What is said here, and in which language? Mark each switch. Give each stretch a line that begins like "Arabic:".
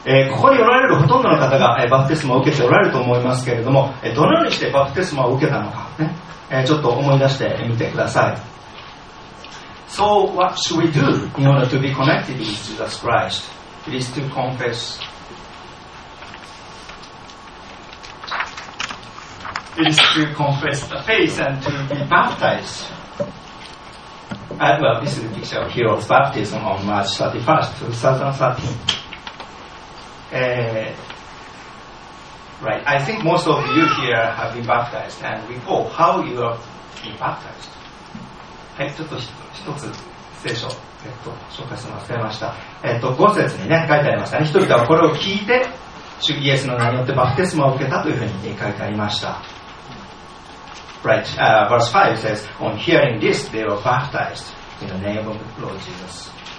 Japanese: ここにおられるほとんどの方が、バプテスマを受けておられると思いますけれども、どのようにしてバプテスマを受けたのか、ね、ちょっと思い出してみてください。
English: So what should we do in order to be connected with Jesus Christ? It is to confessIt is to confess the faith and to be baptized. Well, this is the picture of Hero's baptism on March 31st, 2013. Right, I think most of you here have been baptized and recall how you have been baptized.
Japanese: はい、ちょっと一つ聖書、紹介するの忘れました。五節にね、書いてありましたね。人々はこれを聞いて、主イエスの名によってバプテスマを受けたというふうに、ね、書いてありました。
English: Right, verse 5 says, on hearing this, they were baptized in the name of the Lord Jesus.